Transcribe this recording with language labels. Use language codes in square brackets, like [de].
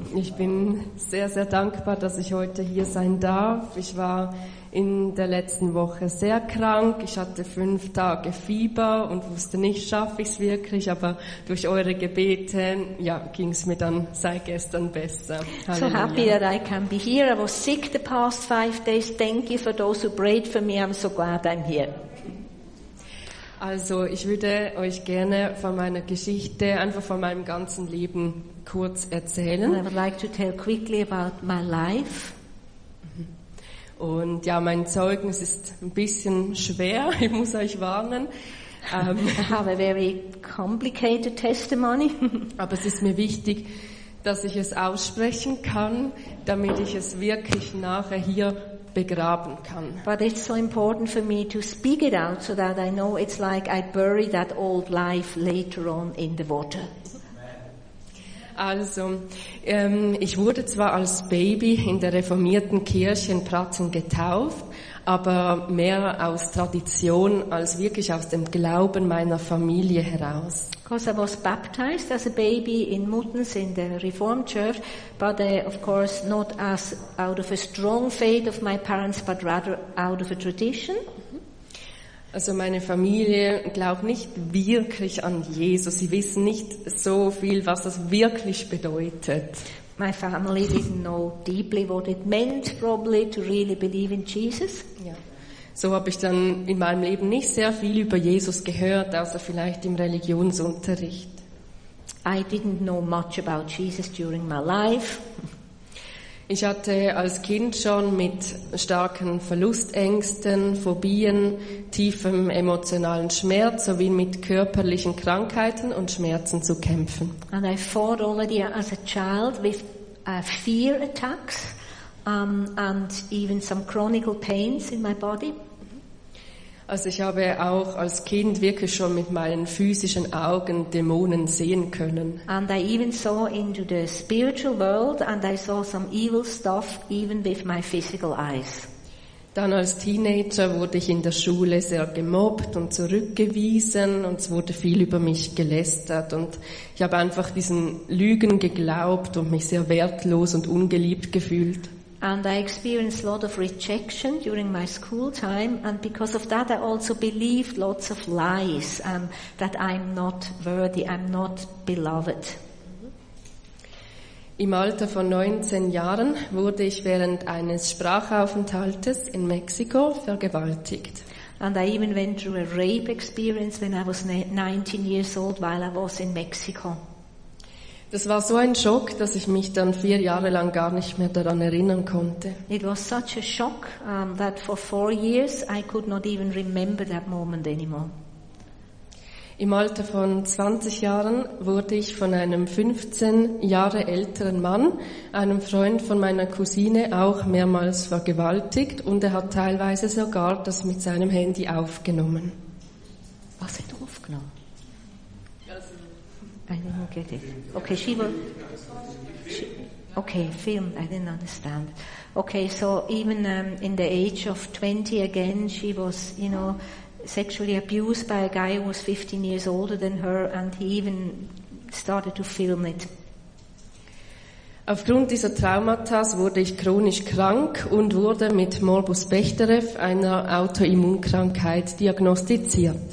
[de] Ich bin sehr, sehr dankbar, dass ich heute hier sein darf. Ich war in der letzten Woche sehr krank. Ich hatte 5 Tage Fieber und wusste nicht, schaffe ich es wirklich. Aber durch eure Gebete, ja, ging es mir dann seit gestern besser. Halleluja. [en] So happy that I can be here. I was sick the past 5 days. Thank you for those who prayed for me. I'm so glad I'm here. [de] Also, ich würde euch gerne von meiner Geschichte, einfach von meinem ganzen Leben kurz erzählen. [en] And I would like to tell quickly about my life. [de] Und ja, mein Zeugnis ist ein bisschen schwer, ich muss euch warnen. [en] I have a very complicated testimony. [de] Aber es ist mir wichtig, dass ich es aussprechen kann, damit ich es wirklich nachher hier begraben kann. [en] But it's so important for me to speak it out, so that I know it's like I bury that old life later on in the water. [de] Also, ich wurde zwar als Baby in der reformierten Kirche in Pratzen getauft, aber mehr aus Tradition als wirklich aus dem Glauben meiner Familie heraus. [en] Because I was baptized as a baby in Muttens in the Reformed Church, but of course not as out of a strong faith of my parents, but rather out of a tradition. [de] Also meine Familie glaubt nicht wirklich an Jesus. Sie wissen nicht so viel, was das wirklich bedeutet. [en] My family didn't know deeply what it meant, probably, to really believe in Jesus. [de] Ja. So habe ich dann in meinem Leben nicht sehr viel über Jesus gehört, außer vielleicht im Religionsunterricht. [en] I didn't know much about Jesus during my life. [de] Ich hatte als Kind schon mit starken Verlustängsten, Phobien, tiefem emotionalen Schmerz sowie mit körperlichen Krankheiten und Schmerzen zu kämpfen. [en] And I fought already as a child with fear attacks and even some chronic pains in my body. [de] Also ich habe auch als Kind wirklich schon mit meinen physischen Augen Dämonen sehen können. [en] And I even saw into the spiritual world and I saw some evil stuff even with my physical eyes. [de] Dann als Teenager wurde ich in der Schule sehr gemobbt und zurückgewiesen und es wurde viel über mich gelästert und ich habe einfach diesen Lügen geglaubt und mich sehr wertlos und ungeliebt gefühlt. [en] And I experienced a lot of rejection during my school time, and because of that I also believed lots of lies, that I'm not worthy, I'm not beloved. [de] Im Alter von 19 Jahren wurde ich während eines Sprachaufenthaltes in Mexiko vergewaltigt. [en] And I even went through a rape experience when I was 19 years old while I was in Mexico. [de] Das war so ein Schock, dass ich mich dann 4 Jahre lang gar nicht mehr daran erinnern konnte. [en] It was such a shock that for 4 years I could not even remember that moment anymore. [de] Im Alter von 20 Jahren wurde ich von einem 15 Jahre älteren Mann, einem Freund von meiner Cousine, auch mehrmals vergewaltigt und er hat teilweise sogar das mit seinem Handy aufgenommen. Was hat er aufgenommen? [en] I didn't get it. Okay, she will. Okay, film. I didn't understand. Okay, so even in the age of 20 again, she was, you know, sexually abused by a guy who was 15 years older than her, and he even started to film it. [de] Aufgrund dieser Traumata wurde ich chronisch krank und wurde mit Morbus Bechterew, einer Autoimmunkrankheit, diagnostiziert.